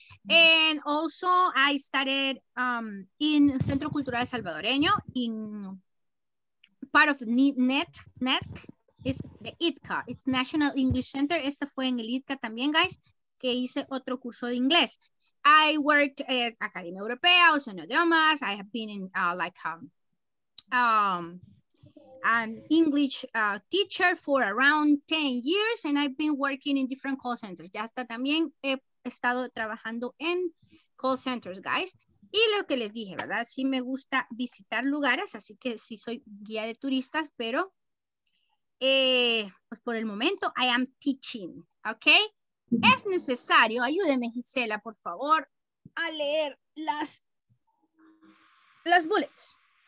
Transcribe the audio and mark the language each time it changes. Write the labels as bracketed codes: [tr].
[en] And also, I studied in Centro Cultural Salvadoreño, in part of NETC. It's the ITCA. It's National English Center. [es] Esta fue en el ITCA también, guys, que hice otro curso de inglés. [en] I worked at Academia Europea, also in idiomas. I have been in an English teacher for around 10 years, and I've been working in different call centers. [es] Ya hasta también he estado trabajando en call centers, guys. Y lo que les dije, ¿verdad? Sí me gusta visitar lugares, así que sí soy guía de turistas, pero pues por el momento [en] I am teaching, [es] okay? Es necesario, ayúdeme Gisela, por favor, a leer las bullets.